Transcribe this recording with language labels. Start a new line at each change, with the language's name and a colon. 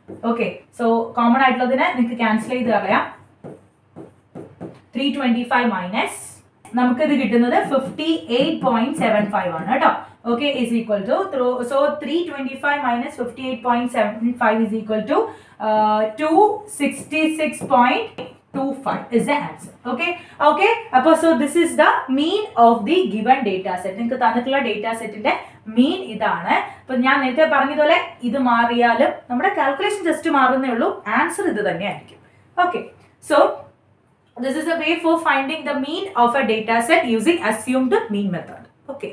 Malayalam: Okay, so common ആയിട്ടുള്ളതിനെ നിങ്ങൾക്ക് cancel ചെയ്ത് അറിയാം. 325 മൈനസ് നമുക്കിത് കിട്ടുന്നത് 58.75 ആണ് കേട്ടോ.
English: Okay, is equal to 325 minus 58.75 is equal to 266.25 is the answer. Okay, so this is the mean of the given data set.
Malayalam: നിങ്ങൾക്ക് തന്നിട്ടുള്ള ഡേറ്റാ സെറ്റിന്റെ മീൻ ഇതാണ്. അപ്പൊ ഞാൻ നേരത്തെ പറഞ്ഞതുപോലെ ഇത് മാറിയാലും നമ്മുടെ കാൽക്കുലേഷൻ ജസ്റ്റ് മാറുന്നേ ഉള്ളൂ, ആൻസർ ഇത് തന്നെയായിരിക്കും.
English: Okay, so this is a way for finding the mean of a data set using assumed mean method. Okay.